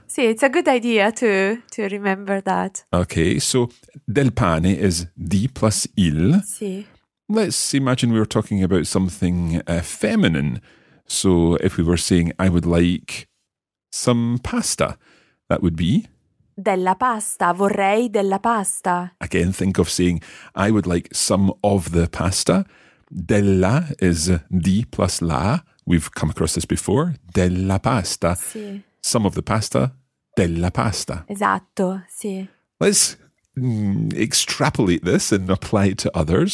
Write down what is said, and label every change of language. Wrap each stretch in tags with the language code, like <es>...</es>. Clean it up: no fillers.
<en>Sì, it's a good idea to remember that. Okay, so del pane is di plus il.</en> <it>Sì.</it> <en>Let's imagine we were talking about something feminine. So if we were saying, I would like some pasta, that would be?</en> <it>Della pasta, vorrei della pasta.</it> <en>Again, think of saying, I would like some of the pasta. Della is di plus la. We've come across this before.</en> <it>Della pasta. Sì.</it> <en>Some of the pasta.</en> <it>Della pasta. Esatto, sì.</it> <en>Let's extrapolate this and apply it to others.</en>